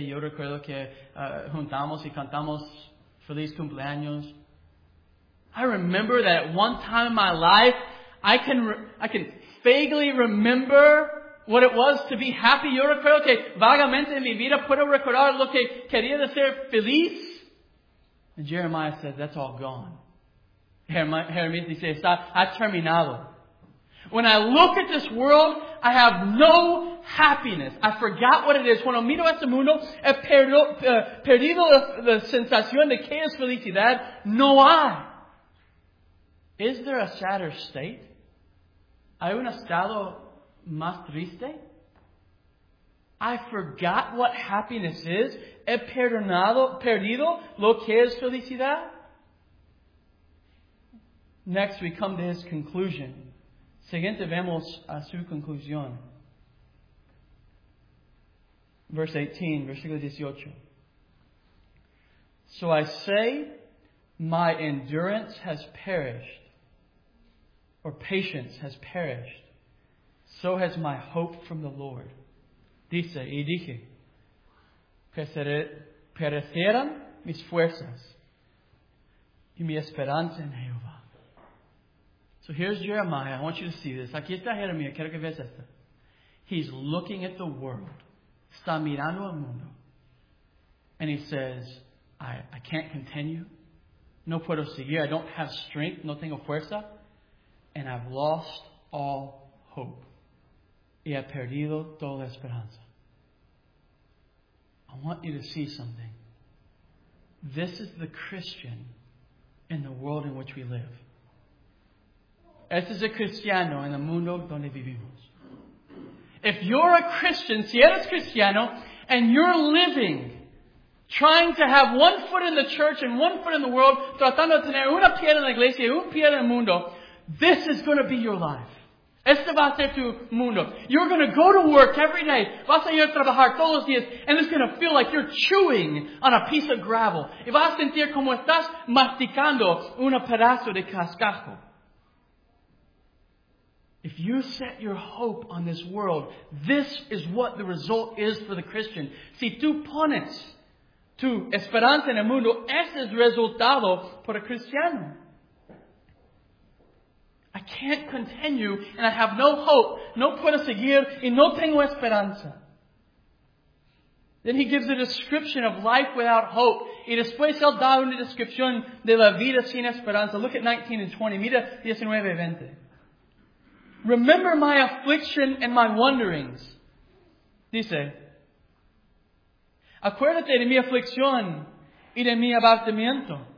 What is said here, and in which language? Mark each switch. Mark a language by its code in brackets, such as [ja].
[es] Yo recuerdo que juntamos y cantamos Feliz Cumpleaños. [en] I remember that at one time in my life, I can vaguely remember what it was to be happy. [es] Yo recuerdo que vagamente en mi vida puedo recordar lo que quería ser feliz. [en] And Jeremiah says, that's all gone. [es] Jeremiah dice, ha terminado. [en] When I look at this world, I have no happiness. I forgot what it is. [es] Cuando miro este mundo, he perdido la sensación de que es felicidad. No hay. [en] Is there a sadder state? [es] ¿Hay un estado más triste? [en] I forgot what happiness is. [es] He perdido lo que es felicidad. [en] Next, we come to his conclusion. [es] Siguiente, vemos a su conclusión. [en] Verse 18, [es] versículo 18. [en] So I say, my endurance has perished, or patience has perished, so has my hope from the Lord. [es] Dice, y dije, perecieran mis fuerzas y mi esperanza en Jehová. [en] So here's Jeremiah. I want you to see this. [es] Aquí está Jeremiah. Quiero que veas esto. [en] He's looking at the world. [es] Está mirando al mundo. [en] And he says, I can't continue. [es] No puedo seguir. [en] I don't have strength. [es] No tengo fuerza. [en] And I've lost all hope. [es] Y he perdido toda esperanza. [en] I want you to see something. This is the Christian in the world in which we live. [es] Este es el cristiano en el mundo donde vivimos. [en] If you're a Christian, [es] si eres cristiano, [en] and you're living, trying to have one foot in the church and one foot in the world, [es] tratando de tener una pierna en la iglesia y un pie en el mundo, [en] this is going to be your life. [es] Este va a ser tu mundo. [en] You're going to go to work every day. [es] Vas a ir a trabajar todos los días. [en] And it's going to feel like you're chewing on a piece of gravel. [es] Y vas a sentir como estás masticando un pedazo de cascajo. [en] If you set your hope on this world, this is what the result is for the Christian. [es] Si tú pones tu esperanza en el mundo, ese es el resultado para el cristiano. [en] I can't continue and I have no hope. [es] No puedo seguir y no tengo esperanza. [en] Then he gives a description of life without hope. [es] Y después él da una descripción de la vida sin esperanza. [en] Look at 19 and 20. [es] Mira 19 y 20. [en] Remember my affliction and my wanderings. [es] Dice, acuérdate de mi aflicción y de mi abatimiento.